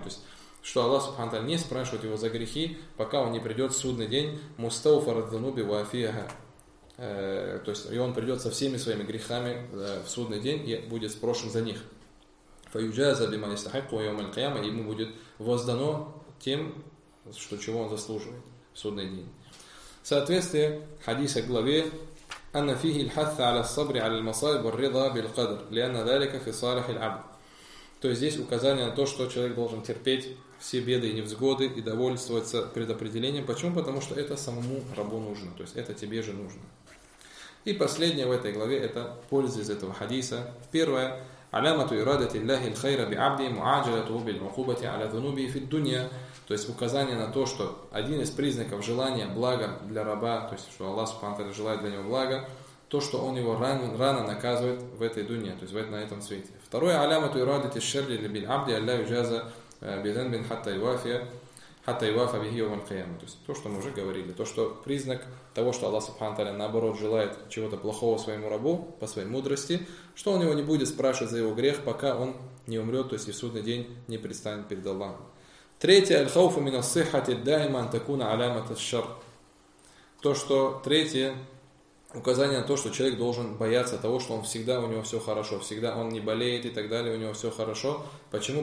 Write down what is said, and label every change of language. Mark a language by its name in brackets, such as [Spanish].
[Russian] То есть что Аллах субхана тааля не спрашивает его за грехи, пока он не придет в судный день, [Arabic] мустауфар ад-дунуби ва афиха. [Russian] То есть и он придет со всеми своими грехами в судный день и будет спрошен за них. [Arabic] فيجازى بما يستحق يوم القيامة, [Russian] ему будет воздано тем, что чего он заслуживает в судный день. Соответствие хадиса к главе [Arabic] أن فيه الحث على الصبر على المصائب والرضا بالقدر لأن ذلك في صالح العبد. [Russian] То есть здесь указание на то, что человек должен терпеть все беды и невзгоды и довольствоваться предопределением. Почему? Потому что это самому рабу нужно. То есть это тебе же нужно. И последнее в этой главе это польза из этого хадиса. Первое. [Arabic] علامة إرادة الله الخير بعبده معاجلة بالعقوبة على ذنوبه في الدنيا. [Russian] То есть указание на то, что один из признаков желания блага для раба, то есть что Аллах Субхану Тааля желает для него блага, то, что он его рано наказывает в этой дунья, то есть на этом свете. Второе. [Arabic] علامة إرادة الشر للعبد الله يجازى بذنب حتى يوافى به يوم القيامة. [Russian] То есть то, что мы уже говорили, то, что признак того, что Аллах Субхану Тааля наоборот желает чего-то плохого своему рабу по своей мудрости, что он его не будет спрашивать за его грех, пока он не умрет, то есть и в судный день не предстанет перед Аллахом. Третье. [Arabic] الخوف من الصحة الدائمة أن تكون علامة الشر. [Russian] То, что третье, указание на то, что человек должен бояться того, что он всегда, у него все хорошо, всегда он не болеет и так далее, у него все хорошо. Почему?